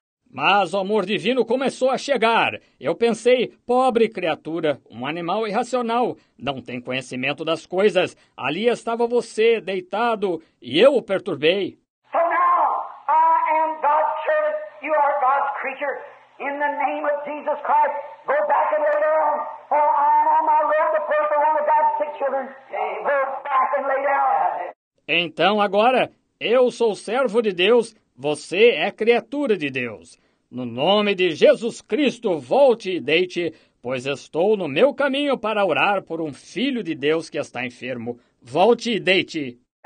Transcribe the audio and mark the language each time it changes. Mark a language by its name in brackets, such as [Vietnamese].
[Portuguese] Mas o amor divino começou a chegar. Eu pensei, pobre criatura, um animal irracional, não tem conhecimento das coisas. Ali estava você, deitado, e eu o perturbei. [English] So now, I am God's servant, you are God's creature. In the name of Jesus Christ, go back and lay down. For I am on my road to pray for one of God's sick children. Go back and lay down. [Portuguese] Então agora, eu sou servo de Deus, você é criatura de Deus. No nome de Jesus Cristo, volte e deite, pois estou no meu caminho para orar por um filho de Deus que está enfermo. Volte e deite.